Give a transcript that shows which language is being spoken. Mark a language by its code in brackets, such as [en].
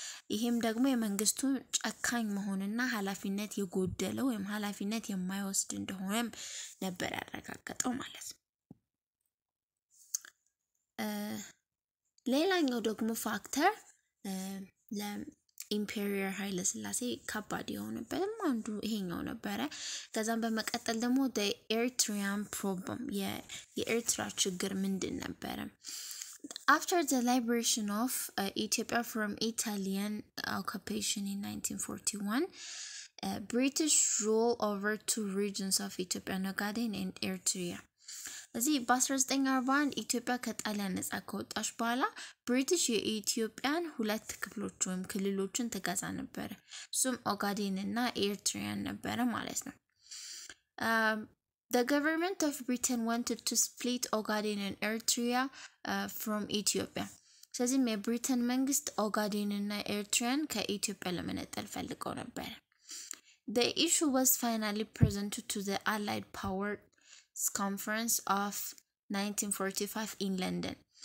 [am] ይሄም ደግሞ የመንግስቱ ጨካኝ መሆንና ኃላፊነት የጎደለው ወይም ኃላፊነት የማይወስድ እንደሆነ ነበር ያረጋገጠው ማለት ነው። ሌላኛው ደግሞ ፋክተር ለኢምፔሪየር ኃይለ ስላሴ ከባድ የሆነበት አንዱ ይሄኛው ነበረ። ከዛም በመቀጠል ደግሞ the ኤርትራን problem የኤርትራ ችግር ምንድን ነበረ? [en] After the liberation of Ethiopia from Italian occupation in 1941, British rule over two regions of Ethiopia, Ogaden and Eritrea. [am] እዚህ በ1941 ኢትዮጵያ ከጣሊያን ነጻ ከወጣች በኋላ ብሪቲሽ የኢትዮጵያን ሁለት ክፍሎች ወይም ክልሎችን ትገዛ ነበር። እሱም ኦጋዴን እና ኤርትሪያን ነበረ ማለት ነው። [en] The government of Britain wanted to split Ogaden and Eritrea from Ethiopia. [am] ስለዚህ የብሪተን መንግስት ኦጋዴን እና ኤርትራን ከኢትዮጵያ ለመነጠል ፈልጎ ነበር። [en] The issue was finally presented to the Allied Powers Conference of 1945 in London.